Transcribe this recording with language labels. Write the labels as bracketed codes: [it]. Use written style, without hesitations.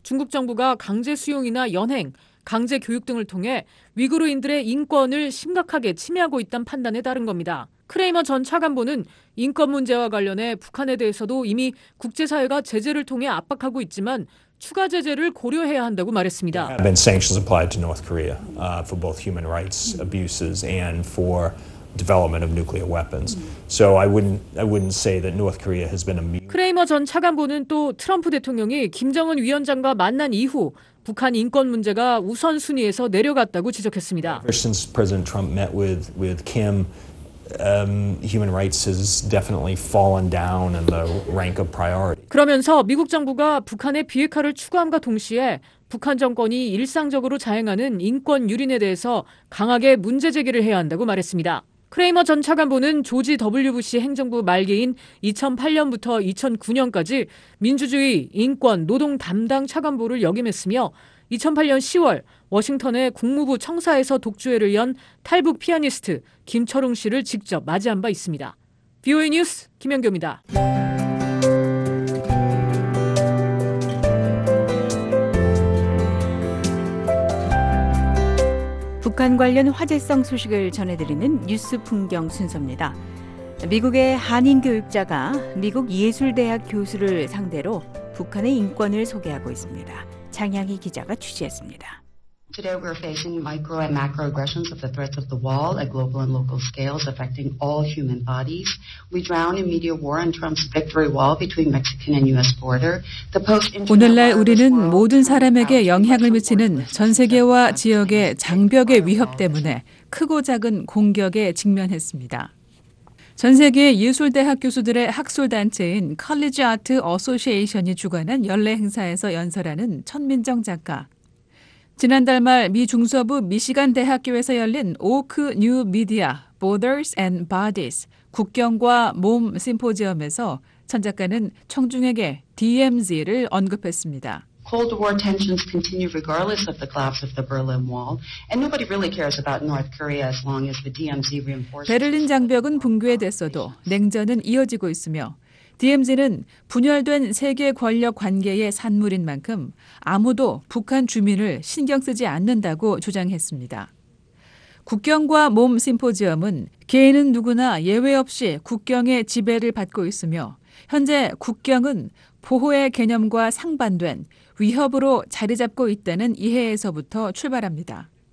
[ko] 중국 정부가 강제 수용이나 연행, 강제 교육 등을 통해 위구르인들의 인권을 심각하게 침해하고 있다는 판단에 따른 겁니다. 크레이머 전 차관보는 인권 문제와 관련해 북한에 대해서도 이미 국제사회가 제재를 통해 압박하고 있지만 추가 제재를 고려해야 한다고 말했습니다. [en] There have been sanctions applied to North Korea for both human rights abuses and for development of nuclear weapons. So I wouldn't say that North Korea has been immune. [ko] 크레이머 전 차관보는 또 트럼프 대통령이 김정은 위원장과 만난 이후 북한 인권 문제가 우선 순위에서 내려갔다고 지적했습니다. [en] Ever since President Trump met with Kim, human rights has definitely fallen down in the rank of priority. [ko] 그러면서 미국 정부가 북한의 비핵화를 추구함과 동시에 북한 정권이 일상적으로 자행하는 인권 유린에 대해서 강하게 문제 제기를 해야 한다고 말했습니다. 크레이머 전 차관보는 조지 W. 부시 행정부 말기인 2008년부터 2009년까지 민주주의, 인권, 노동 담당 차관보를 역임했으며 2008년 10월 워싱턴의 국무부 청사에서 독주회를 연 탈북 피아니스트 김철웅 씨를 직접 맞이한 바 있습니다. VOA 뉴스 김연교입니다. 북한 관련 화제성 소식을 전해드리는 뉴스 풍경 순서입니다. 미국의 한인 교육자가 미국 예술대학 교수를 상대로 북한의 인권을 소개하고 있습니다. 장향희 기자가 취재했습니다. [en] Today we're facing micro and macro aggressions of the threats of the wall at global and local scales affecting all human bodies. We drown in media war and Trump's victory wall between Mexican and U.S. border. [ko] 오늘날 우리는 모든 사람에게 영향을 미치는 전 세계와 지역의 장벽의 위협 때문에 크고 작은 공격에 직면했습니다. 전 세계 예술대학 교수들의 학술단체인 College Art Association이 주관한 연례 행사에서 연설하는 천민정 작가. 지난달 말 미 중서부 미시간 대학교에서 열린 오크 뉴 미디아 Borders and Bodies 국경과 몸 심포지엄에서 천 작가는 청중에게 DMZ를 언급했습니다. [en] Cold War tensions continue regardless of the collapse of the Berlin Wall, and nobody really cares about North Korea as long as the DMZ reinforces. [ko] 베를린 장벽은 붕괴됐어도 냉전은 이어지고 있으며 DMZ는 분열된 세계 권력 관계의 산물인 만큼 아무도 북한 주민을 신경 쓰지 않는다고 주장했습니다. 국경과 몸 심포지엄은 개인은 누구나 예외 없이 국경의 지배를 받고 있으며 현재 국경은 보호의 개념과 상반된 위협으로 자리 잡고 있다는 이해에서부터 출발합니다.